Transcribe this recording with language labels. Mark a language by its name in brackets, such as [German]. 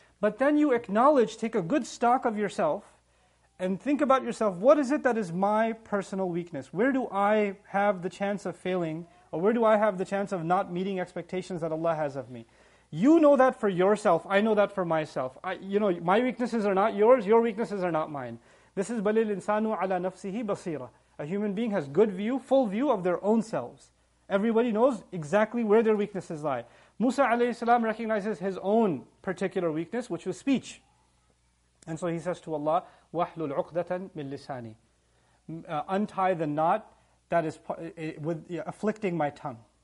[English] But then you acknowledge, take a good stock of yourself, and think about yourself, what is it that is my personal weakness? Where do I have the chance of failing Or where do I have the chance of not meeting expectations that Allah has of me? You know that for yourself, I know that for myself. My weaknesses are not yours, your weaknesses are not mine. This is [Arabic] بَلِ الْإِنسَانُ عَلَى نَفْسِهِ بَصِيرًا. [English] A human being has good view, full view of their own selves. Everybody knows exactly where their weaknesses lie. Musa alayhi salam recognizes his own particular weakness, which was speech. And so he says to Allah, [Arabic] وَحْلُلْ عُقْدَةً مِنْ لِسَانِي. [English] Untie the knot that is afflicting my tongue.